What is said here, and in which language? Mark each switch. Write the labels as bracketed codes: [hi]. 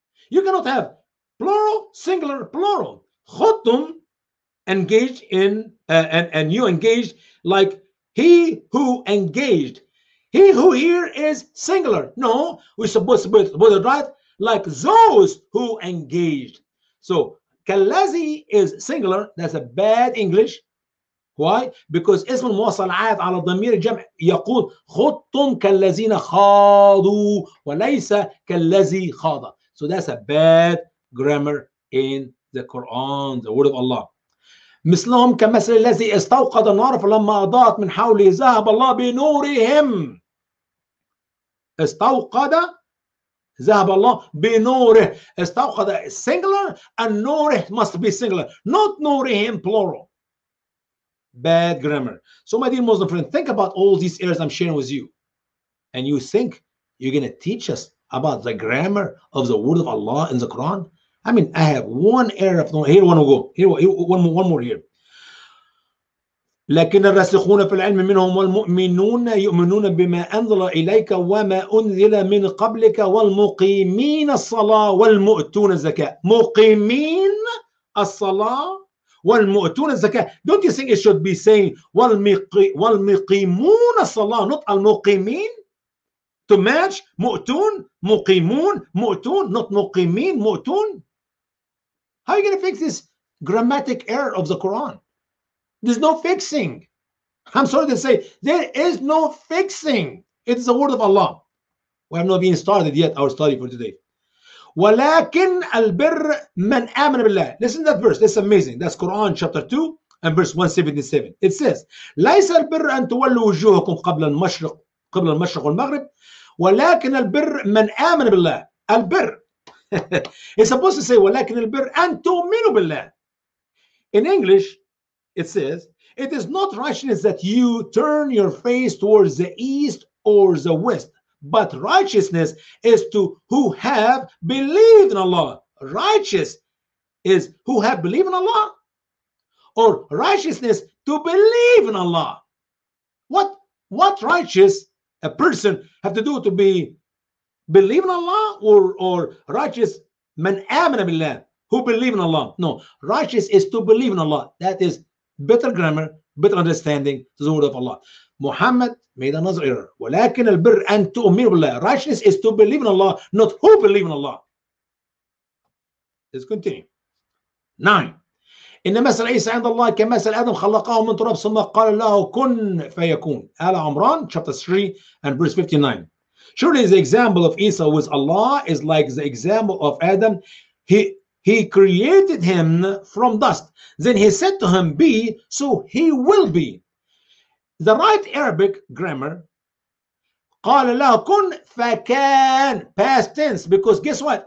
[en] You cannot have plural, singular, plural. [ar] خُطْتُمْ [en] engaged in and you engaged like he who engaged. He who here is singular. No, we're supposed to put it right like those who engaged. So kalazi is singular. That's a bad English. Why? Because [ar] اسم الموصل عاد على ضمير الجمع يقول خضتم كالذين خاضوا وليس كالذي خاض. [en] So that's a bad grammar in the Quran, the word of Allah. [ar] مثلهم كمثل الذي استوقد النار فلما أضاءت من حوله ذهب الله بنورهم. استوقد ذهب الله بنوره. [en] استوقد singular and نوره must be singular, not نورهم plural. Bad grammar. So my dear Muslim friend, think about all these errors I'm sharing with you. And you think you're going to teach us about the grammar of the word of Allah in the Quran? I mean, I have one error. Here, one go. Here, one more here. [ar] لكن الراسخون في العلم منهم والمؤمنون يؤمنون بما أنزل إليك وما أنزل من قبلك والمقيمين الصلاة والمؤتون الزكاة. مقيمين الصلاة والمؤتون الزكاة. [en] Don't you think it should be saying [ar] والمقيمون الصلاة, [en] not المقيمين, to match مؤتون, مقيمون, مؤتون, not مقيمين, مؤتون. How are you going to fix this grammatic error of the Quran? There's no fixing. I'm sorry to say, there is no fixing. It is the word of Allah. We have not been started yet, our study for today. [ar] ولكن البر من آمن بالله. [en] Listen to that verse. That's amazing. That's Quran chapter 2 and verse 177. It says, [ar] ليس البر أن تولوا وجوهكم قبل المشرق والمغرب ولكن البر من آمن بالله. البر. [en] It's supposed to say [ar] ولكن البر أن تؤمنوا بالله. [en] In English, it says, it is not righteousness that you turn your face towards the east or the west, but righteousness is to who have believed in Allah. Righteous is who have believed in Allah, or righteousness to believe in Allah. What righteous a person have to do to be believe in Allah, or righteous man [ar] amana billah, [en] who believe in Allah? No, righteous is to believe in Allah. That is better grammar, better understanding to the word of Allah. Muhammad made another error. [ar] ولكن البر أن تؤمن بالله. [en] Righteousness is to believe in Allah, not who believe in Allah. Let's continue. [ar] 9. إن مثل عيسى عند الله كمثل آدم خلقه من تراب ثم قال له كن فيكون. [en] آل عمران chapter 3 and verse 59. Surely the example of Isa with Allah is like the example of Adam. He created him from dust. Then he said to him, be, so he will be. The right Arabic grammar, [ar] قال له كن فكان, [en] past tense, because guess what?